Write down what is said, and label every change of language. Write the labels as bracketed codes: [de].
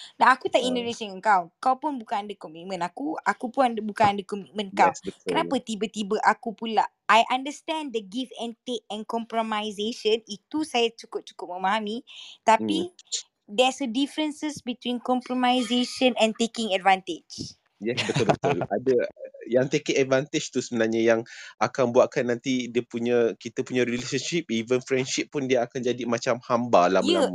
[ms] Dan aku tak Indonesia dengan kau. Kau pun bukan ada komitmen aku. Aku pun bukan ada komitmen kau. [en] Yes, [ms] kenapa tiba-tiba aku pula? [en] I understand the give and take and compromisation. [ms] Itu saya cukup-cukup memahami. Tapi [en] there's a differences between compromisation and taking advantage. [ms] Yes, betul-betul. Ada yang [en] take advantage [ms] tu sebenarnya yang akan buatkan nanti dia punya, kita punya relationship, [en] even friendship [ms] pun dia akan jadi macam hamba lama-lama.